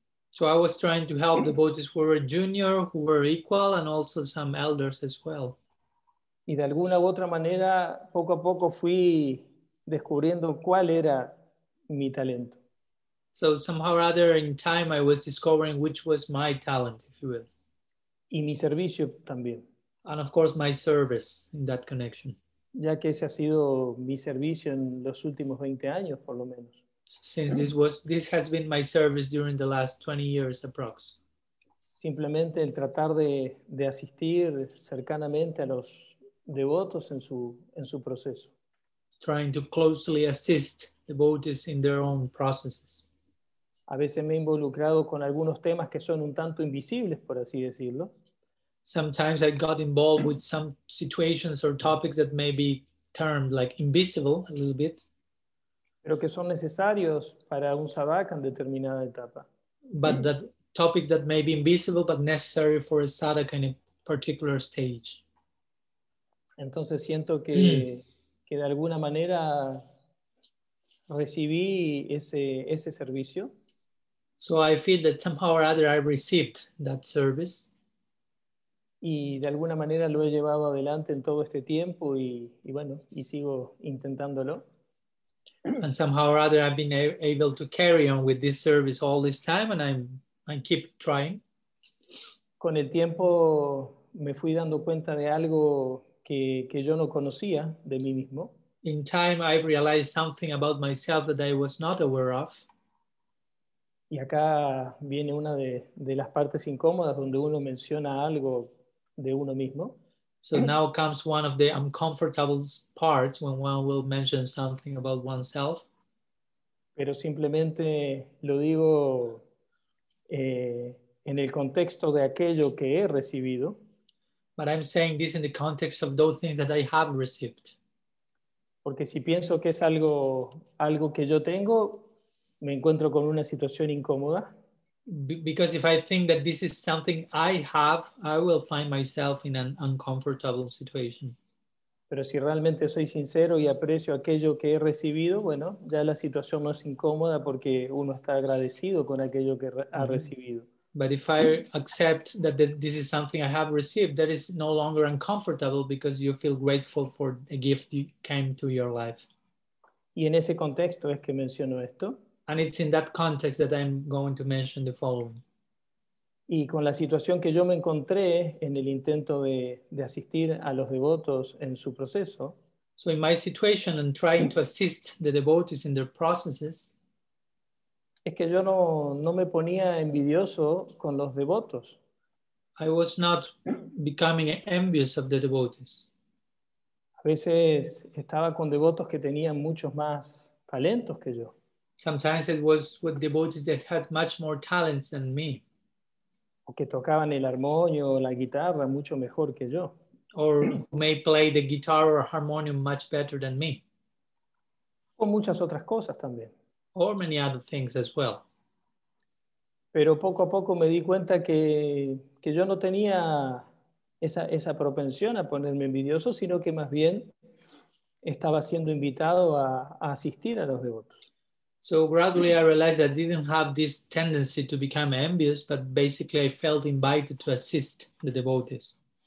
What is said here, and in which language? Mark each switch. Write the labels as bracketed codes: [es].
[en] So I was trying to help devotees who were junior, who were equal, and also some elders as well. [es] Y de alguna u otra manera, poco a poco fui descubriendo cuál era mi talento. [en] So somehow or other in time I was discovering which was my talent, if you will. [es] Y mi servicio también. [en] And of course my service in that connection. [es] Ya que ese ha sido mi servicio en los últimos 20 años, por lo menos. [en] Since this has been my service during the last 20 years, approx. [es] Simplemente el tratar de asistir cercanamente a los devotos en su proceso. [en] Trying to closely assist devotees in their own processes. [es] A veces me he involucrado con algunos temas que son un tanto invisibles, por así decirlo. [en] Sometimes I got involved with some situations or topics that may be termed like invisible a little bit. [es] Pero que son necesarios para un sadhaka en determinada etapa. [en] But that topics that may be invisible but necessary for a sadhaka in a particular stage. [es] Entonces siento que que de alguna manera recibí ese servicio. [en] So I feel that somehow or other I received that service. [es] Y de alguna manera lo he llevado adelante en todo este tiempo y bueno, y sigo intentándolo. [en] And somehow or other I've been able to carry on with this service all this time and I keep trying. [es] Con el tiempo me fui dando cuenta de algo que yo no conocía de mí mismo. [en] In time I realized something about myself that I was not aware of. [es] Y acá viene una de las partes incómodas donde uno menciona algo de uno mismo. [en] So now comes one of the uncomfortable parts when one will mention something about oneself. [es] Pero simplemente lo digo en el contexto de aquello que he recibido. [en] But I'm saying this in the context of those things that I have received. [es] Porque si pienso que es algo que yo tengo, me encuentro con una situación incómoda. [en] Because if I think that this is something I have, I will find myself in an uncomfortable situation. [es] Pero si realmente soy sincero y aprecio aquello que he recibido, bueno, ya la situación no es incómoda porque uno está agradecido con aquello que ha recibido. [en] But if I accept that this is something I have received, that is no longer uncomfortable because you feel grateful for a gift that came to your life. [es] Y en ese contexto es que menciono esto. [en] And it's in that context that I'm going to mention the following. [es] Y con la situación que yo me encontré en el intento de asistir a los devotos en su proceso. [en] So in my situation and trying to assist the devotees in their processes. [es] Es que yo no me ponía envidioso con los devotos. [en] I was not becoming envious of the devotees. [es] A veces estaba con devotos que tenían muchos más talentos que yo. [en] Sometimes it was with devotees that had much more talents than me. [es] O que tocaban el armonio o la guitarra mucho mejor que yo. [en] Or may play the guitar or harmonium much better than me. [es] O muchas otras cosas también. [en] Or many other things as well. [es] Pero poco a poco me di cuenta que yo no tenía esa propensión a ponerme envidioso, sino que más bien estaba siendo invitado a asistir a los devotos. [en] So gradually I realized I didn't have this tendency to become envious, but basically I felt invited to assist the devotees.